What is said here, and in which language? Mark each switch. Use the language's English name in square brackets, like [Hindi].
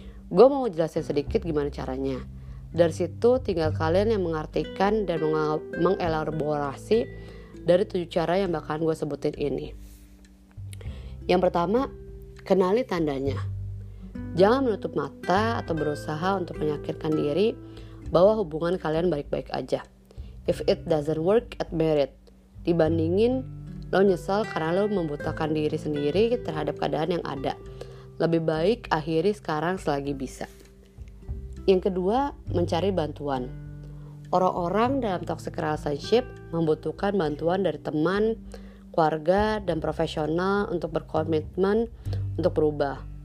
[Indonesian] Gue mau jelasin sedikit gimana caranya. Dari situ tinggal kalian yang mengartikan dan mengelaborasi dari 7 cara yang bakalan gue sebutin ini. Yang pertama, kenali tandanya. Jangan menutup mata atau berusaha untuk meyakinkan diri bahwa hubungan kalian baik-baik aja. [English] If it doesn't work, admit it. [Indonesian] Dibandingin lo nyesel karena lo membutakan diri sendiri terhadap keadaan yang ada, lebih baik akhiri sekarang selagi bisa. Yang kedua, mencari bantuan. Orang-orang dalam toxic relationship membutuhkan bantuan dari teman, keluarga, dan profesional untuk berkomitmen untuk berubah.